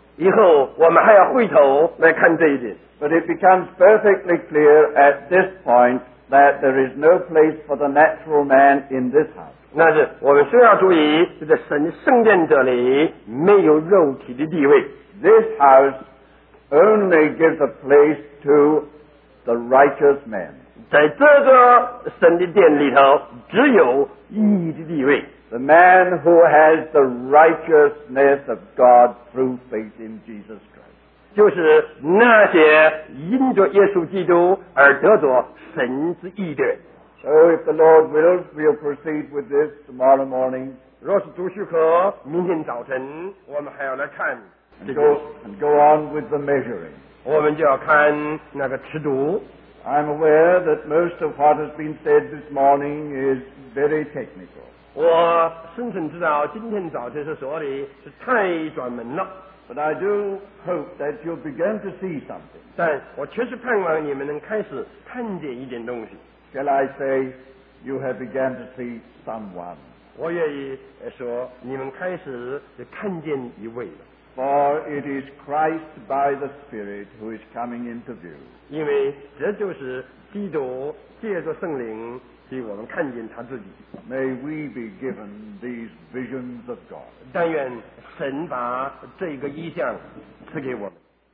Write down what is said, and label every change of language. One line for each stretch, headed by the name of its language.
Chinese: 以后我们还要回头来看这一点。
English: But it becomes perfectly clear at this point that there is no place for the natural man in this house.
Chinese: 那是我们需要注意，就在神圣殿这里没有肉体的地位。
English: This house. Only gives a place to the righteous man.
Chinese: 在这个神的殿里头，只有义的地位。
English: The man who has the righteousness of God through faith in Jesus Christ.
Chinese: 就是那些因着耶稣基督而得着神之义的人。
English: So if the Lord wills, we'll proceed with this tomorrow morning.
Chinese: 若是主许可，明天早晨我们还要来看。
English: And go on with the measuring.
Chinese: 我们就要看那个尺度。
English: I'm aware that most of what has been said this morning is very technical.
Chinese: 我深深知道今天早晨所说的是太专门了。
English: But I do hope that you'll begin to see something.
Chinese: 但我确实盼望你们能开始看见一点东西。
English: Shall I say you have begun to see someone?
Chinese: 我愿意说你们开始看见一位了。
English: For it is Christ by the Spirit who is coming into view.
Chinese: 因为这就是基督借着圣灵给我们看见他自己。
English: May we be given these visions of God.
Chinese: 但愿神把这个意象赐给我们。